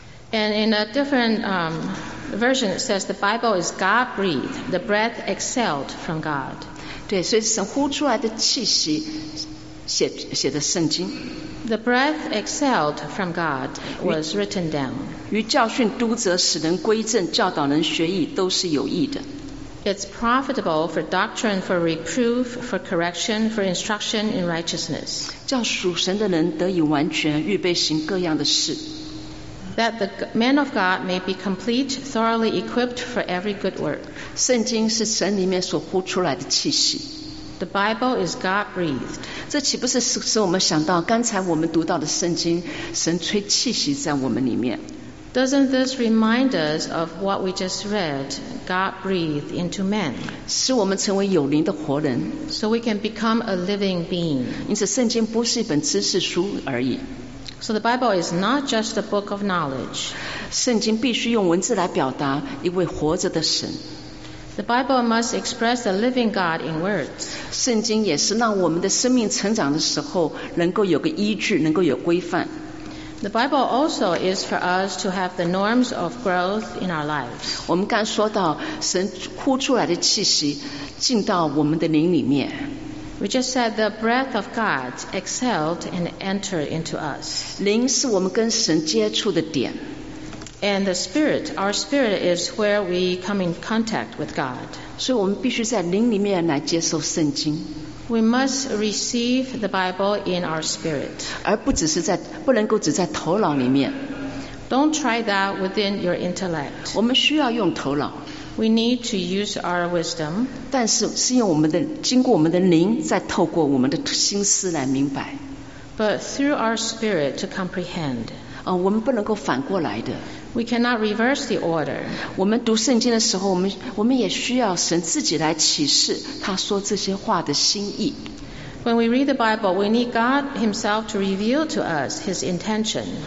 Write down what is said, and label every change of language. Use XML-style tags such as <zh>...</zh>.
<en>And in a different version, it says the Bible is God-breathed, the breath exhaled from God.</en> <zh>对，所以神呼出来的气息写的圣经。</zh> <en>The breath exhaled from God was written down.</en> <zh>与教训督责，使人归正，教导人学义，都是有益的。</zh> <en>It's profitable for doctrine, for reproof, for correction, for instruction in righteousness.</en> <zh>叫属神的人得以完全，预备行各样的事。</zh> <en>That the man of God may be complete, thoroughly equipped for every good work.</en> <zh>圣经是神里面所呼出来的气息。</zh> <en>The Bible is God breathed.</en> <zh>这岂不是使我们想到刚才我们读到的圣经，神吹气息在我们里面。</zh> <en>Doesn't this remind us of what we just read? God breathed into man.</en> <zh>使我们成为有灵的活人。</zh> <en>So we can become a living being.</en> <zh>因此圣经不是一本知识书而已。</zh> <en>So the Bible is not just a book of knowledge.</en> <zh>圣经必须用文字来表达一位活着的神。</zh> <en>The Bible must express the living God in words.</en> <zh>圣经也是让我们的生命成长的时候能够有个依据，能够有规范。</zh> <en>The Bible also is for us to have the norms of growth in our lives.</en> <zh>我们刚说到神呼出来的气息进到我们的灵里面。</zh> <en>We just said the breath of God exhaled and entered into us.</en> <zh>灵是我们跟神接触的点。</zh> <en>And the spirit, our spirit is where we come in contact with God.</en> <zh>所以我们必须在灵里面来接受圣经。</zh> <en>We must receive the Bible in our spirit.</en> <zh>而不只是在，不能够只在头脑里面。</zh> <en>Don't try that within your intellect.</en> <zh>我们需要用头脑。</zh> <en>We need to use our wisdom.</en> <zh>但是是用我们的经过我们的灵，再透过我们的心思来明白。</zh> <en>But through our spirit to comprehend.</en> <zh>我们不能够反过来的。</zh> <en>We cannot reverse the order.</en> <zh>我们读圣经的时候，我们也需要神自己来启示他说这些话的心意。</zh> <en>When we read the Bible, we need God Himself to reveal to us His intention.</en>